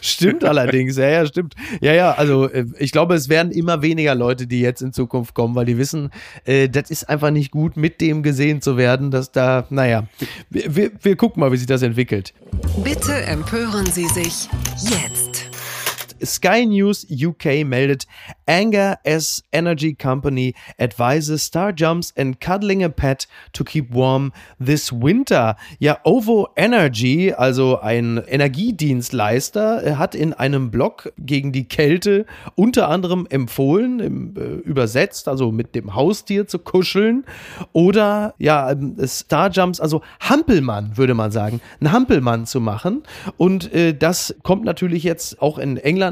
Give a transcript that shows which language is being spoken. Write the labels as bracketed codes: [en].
[de] Stimmt allerdings, ja, stimmt. Ja, ja, also ich glaube, es werden immer weniger Leute, die jetzt in Zukunft kommen, weil die wissen, das ist einfach nicht gut, mit dem gesehen zu werden, dass da, naja, wir gucken mal, wie sich das entwickelt. Bitte empören Sie sich jetzt. [en] Sky News UK [de] meldet, [en] Anger as Energy Company advises star jumps and cuddling a pet to keep warm this winter. [de] Ja, OVO Energy, also ein Energiedienstleister, hat in einem Blog gegen die Kälte unter anderem empfohlen, übersetzt, also mit dem Haustier zu kuscheln. Oder ja, Star Jumps, also Hampelmann, würde man sagen, einen Hampelmann zu machen. Und das kommt natürlich jetzt auch in England